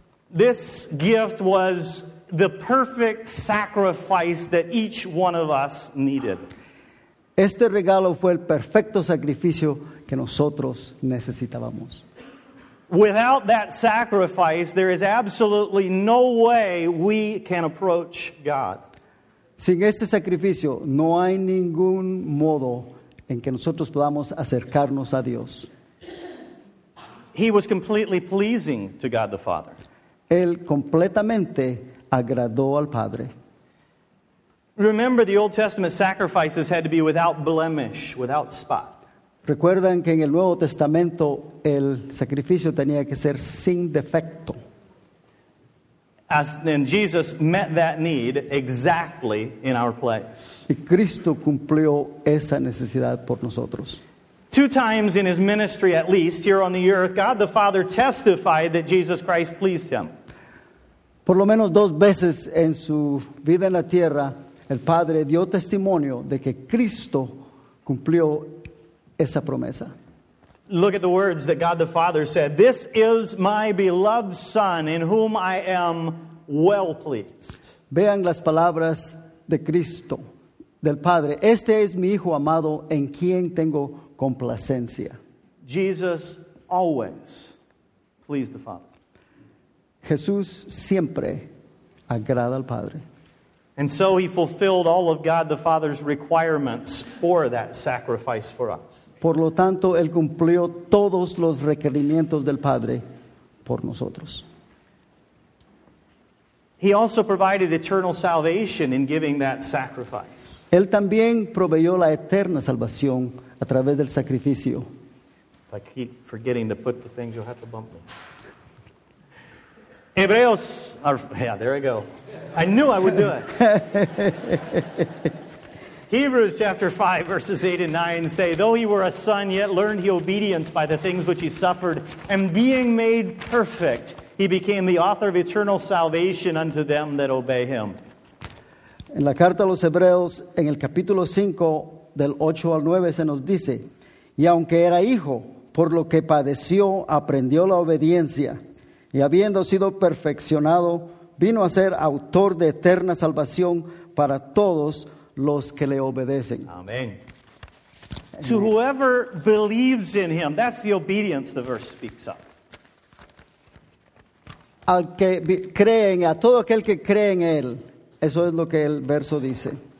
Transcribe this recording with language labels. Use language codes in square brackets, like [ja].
[en] This gift was the perfect sacrifice that each one of us needed. [es] Este regalo fue el perfecto sacrificio que nosotros necesitábamos. [en] Without that sacrifice, there is absolutely no way we can approach God. [es] Sin este sacrificio, no hay ningún modo en que nosotros podamos acercarnos a Dios. [en] He was completely pleasing to God the Father. [es] Él completamente agradó al Padre. [en] Remember, the Old Testament sacrifices had to be without blemish, without spot. [es] Recuerdan que en el Nuevo Testamento el sacrificio tenía que ser sin defecto. [en] As then Jesus met that need exactly in our place. [es] Y Cristo cumplió esa necesidad por nosotros. [en] Two times in his ministry, at least here on the earth, God the Father testified that Jesus Christ pleased him. [es] Por lo menos dos veces en su vida en la tierra, el Padre dio testimonio de que Cristo cumplió esa promesa. [en] Look at the words that God the Father said: "This is my beloved Son, in whom I am well pleased." [es] Vean las palabras de Cristo: del Padre. Este es mi hijo amado en quien tengo complacencia. [en] Jesus always pleased the Father. [es] Jesús siempre agrada al Padre. [en] And so he fulfilled all of God the Father's requirements for that sacrifice for us. [es] Por lo tanto, él cumplió todos los requerimientos del Padre por nosotros. [en] He also provided eternal salvation in giving that sacrifice. [es] Él también proveyó la eterna salvación a través del sacrificio. [en] If I keep forgetting to put the things, you'll have to bump me. Hebreos, yeah, there I go. I knew I would do it. Hebrews chapter 5, verses 8 and 9 say, though he were a son, yet learned he obedience by the things which he suffered. And being made perfect, he became the author of eternal salvation unto them that obey him. [es] En la carta a los Hebreos, en el capítulo 5, del 8 al 9, se nos dice, y aunque era hijo, por lo que padeció, aprendió la obediencia. Y habiendo sido perfeccionado, vino a ser autor de eterna salvación para todos los que le obedecen. Amén. [en] To whoever believes in him, that's the obedience the verse speaks of. [es] Al que cree en, a todo aquel que cree en él, eso es lo que el verso dice.